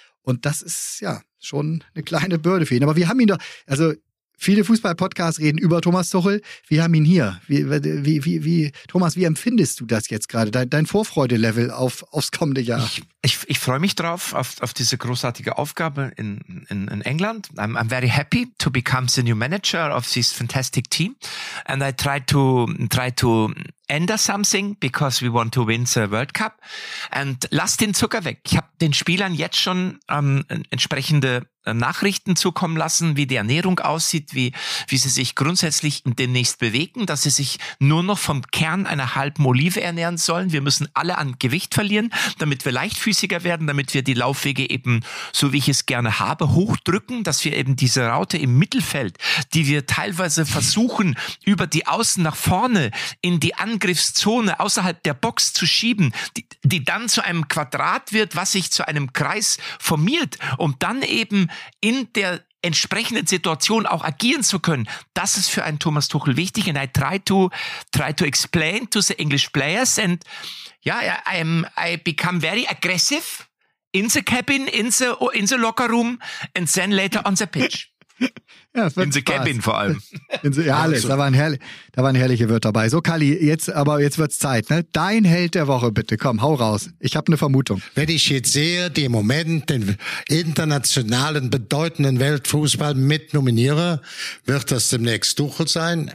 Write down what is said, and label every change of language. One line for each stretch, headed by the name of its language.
German: Und das ist ja schon eine kleine Bürde für ihn. Aber wir haben ihn doch, also viele Fußball-Podcasts reden über Thomas Tuchel. Wir haben ihn hier. Thomas, wie empfindest du das jetzt gerade? Dein Vorfreude-Level aufs kommende Jahr? Ich freue mich drauf, auf diese großartige Aufgabe in England.
English: I'm very happy to become the new manager of this fantastic team. And I try to end something, because we want to win the World Cup. And
German: lass den Zucker weg. Ich habe den Spielern jetzt schon entsprechende Nachrichten zukommen lassen, wie die Ernährung aussieht, wie sie sich grundsätzlich demnächst bewegen, dass sie sich nur noch vom Kern einer halben Olive ernähren sollen. Wir müssen alle an Gewicht verlieren, damit wir leichtfüßiger werden, damit wir die Laufwege eben, so wie ich es gerne habe, hochdrücken, dass wir eben diese Raute im Mittelfeld, die wir teilweise versuchen, über die Außen nach vorne in die Angriffszone außerhalb der Box zu schieben, die dann zu einem Quadrat wird, was sich zu einem Kreis formiert, um dann eben in der entsprechenden Situation auch agieren zu können. Das ist für einen Thomas Tuchel wichtig.
English: And I try to explain to the English players. And yeah, I become very aggressive in the cabin, in the locker room and then later on the pitch.
German: Ja,
English: in the cabin
German: vor allem. Ja, alles. Da waren herrliche Wörter dabei. So, Kalli, jetzt wird's Zeit. Ne? Dein Held der Woche, bitte. Komm, hau raus. Ich habe eine Vermutung. Wenn ich jetzt sehe, die im Moment den internationalen bedeutenden Weltfußball mit nominiere, wird das demnächst Tuchel sein.